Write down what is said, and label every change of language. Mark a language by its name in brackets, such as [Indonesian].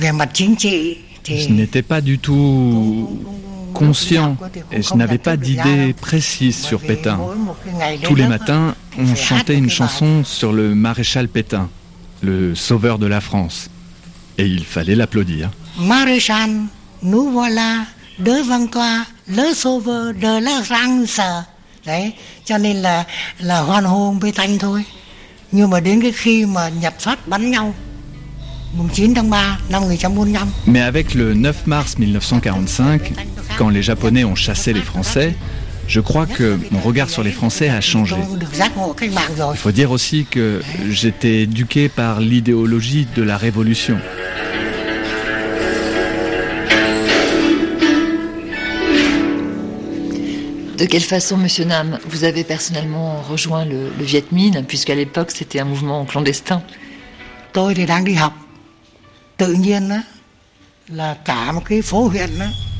[French] Je n'étais pas du tout conscient et je n'avais pas d'idée précise sur Pétain. Tous les matins, on chantait une chanson sur le maréchal Pétain, le sauveur de la France. Et il fallait l'applaudir. Maréchal, nous voilà devant toi, le sauveur de la France. [Vietnamese] Đấy, cho nên là hoan hô Pétain thôi. Nhưng mà đến cái khi mà Nhật Pháp bắn nhau, mùng 9 tháng 3 năm 1945. [French] Mais avec le 9 mars 1945, quand les Japonais ont chassé les Français, je crois que mon regard sur les Français a changé. Il faut dire aussi que j'étais éduqué par l'idéologie de la Révolution. De quelle façon, Monsieur Nam, vous avez personnellement rejoint le Viet Minh, puisqu'à l'époque c'était un mouvement clandestin? [Vietnamese] Tôi thì đang đi học. Tự nhiên là cả một cái phố huyện á.